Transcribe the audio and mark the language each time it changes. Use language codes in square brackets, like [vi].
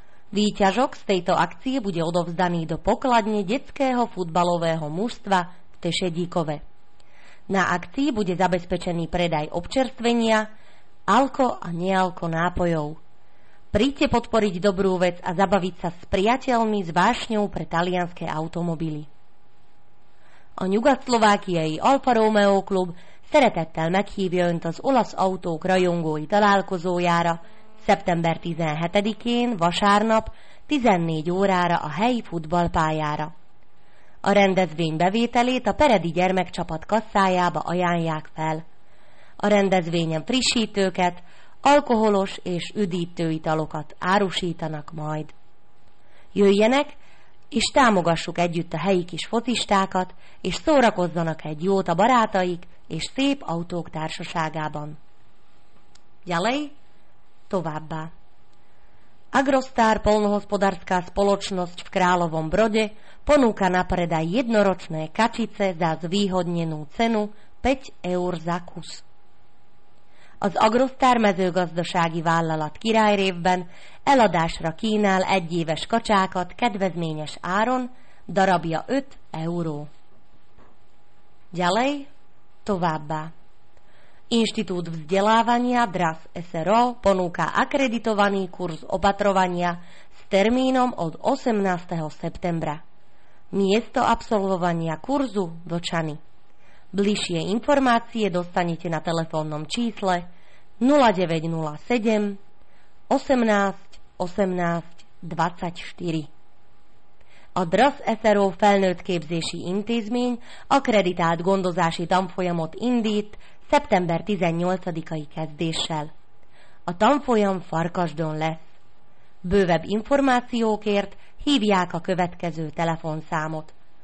[sk] Výťažok z tejto akcie bude odovzdaný do pokladne detského futbalového mužstva v Tešedíkove. Na akcii bude zabezpečený predaj občerstvenia, alko a nealko nápojov. Príďte podporiť dobrú vec a zabaviť sa s priateľmi s vášňou pre talianske automobily. [hu] A Nyugat-Szlovákiai Alfa Romeo klub szeretettel meghívja önt az olasz autók rajongói találkozójára szeptember 17-én vasárnap 14 órára a helyi futballpályára. A rendezvény bevételét a Peredi gyermekcsapat kasszájába ajánlják fel. A rendezvényen frissítőket, alkoholos és üdítő italokat árusítanak majd. Jöjjenek, és támogassuk együtt a helyi kis focistákat, és szórakozzanak egy jót a barátaik és szép autók társaságában. [sk] Ďalej, [hu] továbbá. [sk] Agrostar polnohospodárska spoločnosť v Královom Brode ponúka na predaj jednoročné kačice za zvýhodnenú cenu 5 eur za kus. [hu] Az Agrostar mezőgazdasági vállalat Királyrévben eladásra kínál egyéves kacsákat kedvezményes áron, darabja 5 euró. [sk] Ďalej, [hu] továbbá. [sk] Inštitút vzdelávania DRAS SRO ponúka akreditovaný kurz opatrovania s termínom od 18. septembra. Miesto absolvovania kurzu Vlčany. Bližšie informácie dostanete na telefónnom čísle 0907 18 18 24. [hu] A DRAS SRO felnőttképzési intézmény akreditált gondozási tanfolyamot indít szeptember 18-ai kezdéssel. A tanfolyam Farkasdon lesz. Bővebb információkért hívják a következő telefonszámot.